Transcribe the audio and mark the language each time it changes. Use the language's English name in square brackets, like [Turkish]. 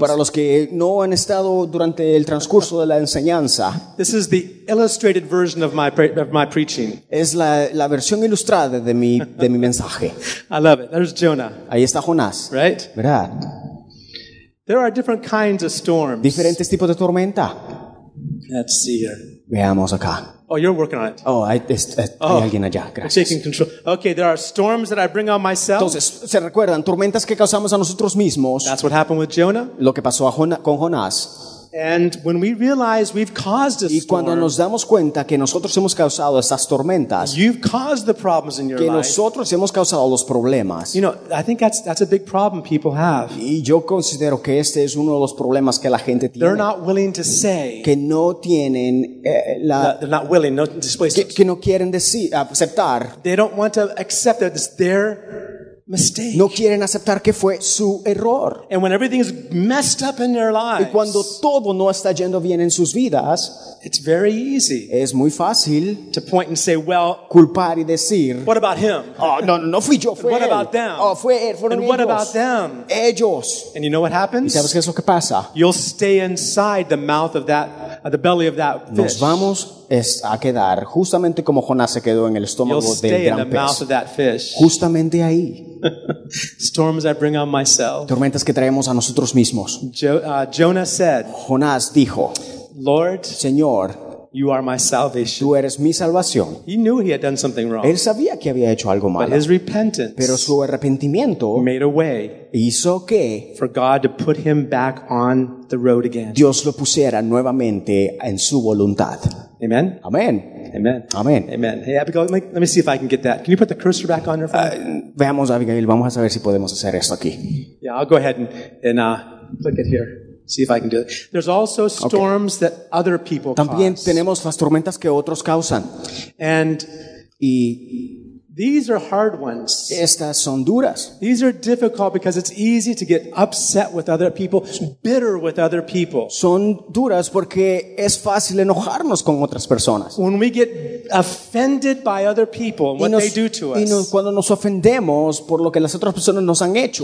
[Spanish] Para los que no han estado durante el transcurso de la enseñanza. [English] This is the illustrated version of my preaching. [Spanish] Es la versión ilustrada de mi mensaje. [English] I love it. There's Jonah. [Spanish] Ahí está Jonás. [English] Right? [Spanish] ¿Verdad? [English] There are different kinds of storms. [Spanish] Diferentes tipos de tormenta. [English] Let's see here. [Spanish] Veamos acá. [English] Oh, you're working on it. [Spanish] Oh, hay alguien allá. Gracias. [English] Taking control. Okay, there are storms that I bring on myself. [Spanish] Entonces, ¿se recuerdan? Tormentas que causamos a nosotros mismos. [English] That's what happened with Jonah. [Spanish] Lo que pasó con Jonás. [English] And when we realize we've caused a storm, [Spanish] y cuando nos damos cuenta que nosotros hemos causado estas tormentas, [English] you've caused the problems in your [Spanish] que nosotros [English] life, [Spanish] hemos causado los problemas. [English] You know, I think that's a big problem people have. [Spanish] Y yo considero que este es uno de los problemas que la gente tiene. [English] They're not willing to say [Spanish] que no tienen la [English] no, they're not willing, no, [Spanish] que no quieren decir aceptar. [English] They don't want to accept that it's their mistake. [Spanish] No quieren aceptar que fue su error. [English] And when everything's messed up in their lives, [Spanish] y cuando todo no está yendo bien en sus vidas, [English] it's very easy [Spanish] es muy fácil [English] to point and say, well, [Spanish] culpar y decir, [English] what about him? [Spanish] Oh, no fui yo, fue [English] what [Spanish] él. [English] About them? [Spanish] Oh, fue él, fueron [English] and [Spanish] ellos. [English] What about them? [Spanish] Ellos. [English] And you know what happens? [Spanish] ¿Y sabes qué es lo que pasa? [English] You'll stay inside the mouth of that, the belly of that fish. [Spanish] Nos vamos es a quedar justamente como Jonás se quedó en el estómago [English] you'll [Spanish] del [English] stay [Spanish] gran [English] in the [Spanish] pez. [English] Mouth of that fish. [Spanish] Justamente ahí. [English] Storms I bring on myself. [Spanish] Tormentas que traemos a nosotros mismos. [English] Jonah said, [Spanish] Jonás dijo, [English] Lord, [Spanish] Señor, [English] you are my salvation. [Spanish] Tú eres mi salvación. [English] He knew he had done something wrong. [Spanish] Él sabía que había hecho algo malo. [English] But his repentance, [Spanish] pero su arrepentimiento, [English] made a way, [Spanish] hizo que [English] for God to put him back on the road again. [Spanish] Dios lo pusiera nuevamente en su voluntad. [English] Amen. Amen. Amen. Amen. Amen. Hey Abigail, let me see if I can get that. Can you put the cursor back on your phone? [Spanish] Veamos Abigail, vamos a ver si podemos hacer esto aquí. [English] Yeah, I'll go ahead and click it here. See if I can do it. There's also storms okay. that other people [Spanish] También [English] cause. [Spanish] Tenemos las tormentas que otros causan. [English] And [Spanish] y [English] these are hard ones. [Spanish] Estas son duras. [English] These are difficult because it's easy to get upset with other people, bitter with other people. [Spanish] Son duras porque es fácil enojarnos con otras personas. [English] When we get offended by other people and what they do to us. [Spanish] Cuando nos ofendemos por lo que las otras personas nos han hecho.